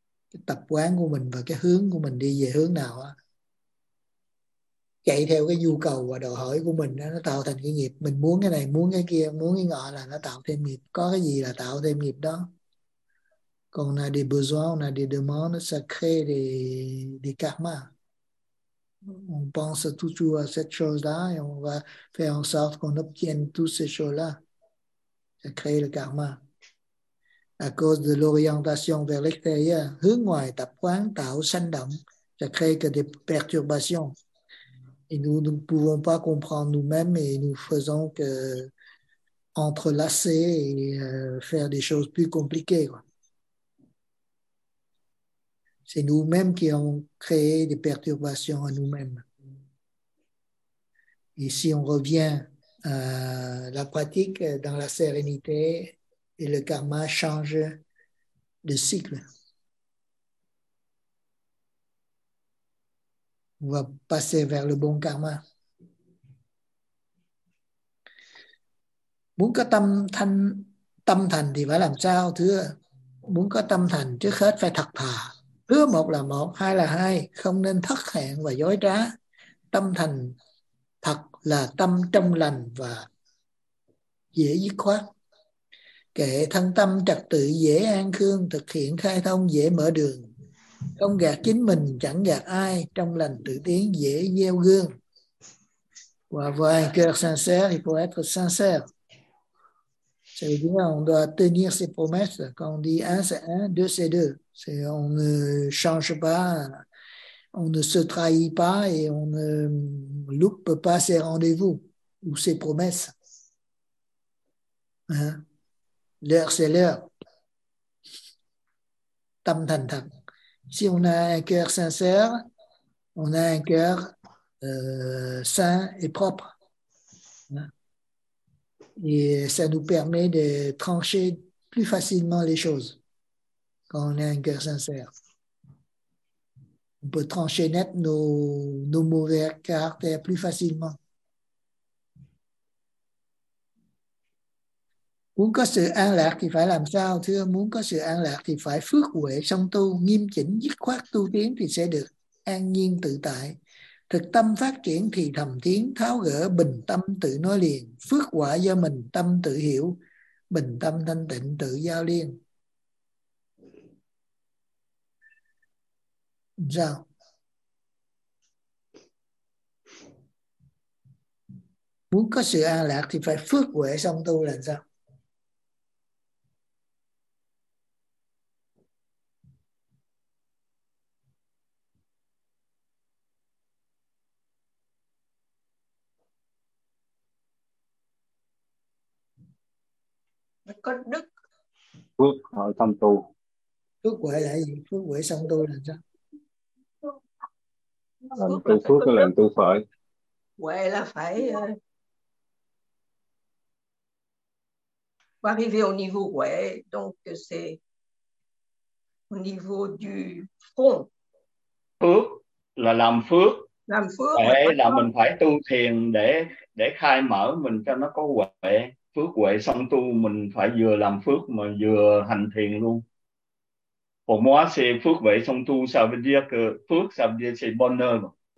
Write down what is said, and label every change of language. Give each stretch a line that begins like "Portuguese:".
Vietnamese: Cái tập quán của mình và cái hướng của mình đi về hướng nào á. Chạy theo cái nhu cầu và đòi hỏi của mình đó, nó tạo thành cái nghiệp. Mình muốn cái này, muốn cái kia, muốn cái ngọ là nó tạo thêm nghiệp. Có cái gì là tạo thêm nghiệp đó.
French: Quand on a des besoins, on a des demandes, ça crée des karmas. On pense toujours à cette chose-là et on va faire en sorte qu'on obtienne tous ces choses-là. Ça crée le karma. À cause de l'orientation vers l'extérieur, ça crée que des perturbations. Et nous ne pouvons pas comprendre nous-mêmes et nous faisons que entrelacer et faire des choses plus compliquées, quoi. C'est nous-mêmes qui avons créé des perturbations à nous-mêmes. Et si on revient à la pratique dans la sérénité, et le karma change de cycle. On va passer vers le bon karma.
Vietnamese: Muốn có tâm thành thì phải làm sao thưa? Muốn có tâm thành trước hết phải thật thà. Hứa một là một, hai là hai, không nên thất hẹn và dối trá. Tâm thành thật là tâm trong lành và dễ dứt khoát. Kệ thân tâm trật tự dễ an khương, thực hiện khai thông dễ mở đường. Không gạt chính mình, chẳng gạt ai, trong lành tự tiến dễ gieo gương.
French: Pour avoir un cœur sincère, il faut être sincère. Ça veut dire qu'on doit tenir ses promesses. Quand on dit un, c'est un, deux, c'est deux. C'est, on ne change pas, on ne se trahit pas et on ne loupe pas ses rendez-vous ou ses promesses. Hein? L'heure, c'est l'heure. Tam tam tam. Si on a un cœur sincère, on a un cœur sain et propre. Hein? Et ça nous permet de trancher plus facilement les choses. Quand on a un cœur sincère, on peut trancher net nos mauvais caractères plus facilement.
Vietnamese: Muốn có sự an lạc thì phải làm sao thưa? Muốn có sự an lạc thì phải phước huệ song tu, nghiêm chỉnh dứt khoát tu tiến thì sẽ được an nhiên tự tại. Thực tâm phát triển thì thầm tiếng tháo gỡ bình tâm tự nói liền, phước quả do mình tâm tự hiểu, bình tâm thanh tịnh tự giao liên. Sao? Muốn có sự an lạc thì phải phước huệ song tu là sao? Có đức. Phước huệ song tu. Phước huệ là gì? Phước huệ song tu là sao? Làm tu phước là làm tu phải. Huệ là phải
French: arriver au niveau huệ, donc c'est au niveau du front.
Vietnamese: Phước là làm phước. Làm phước. Huệ là mình phải tu thiền để khai mở mình cho nó có huệ. Phước huệ song tu, mình phải vừa làm phước mà vừa hành thiền luôn.
French: Pour moi, c'est phước huệ song tu, ça veut dire que phước, ça veut dire c'est bonheur.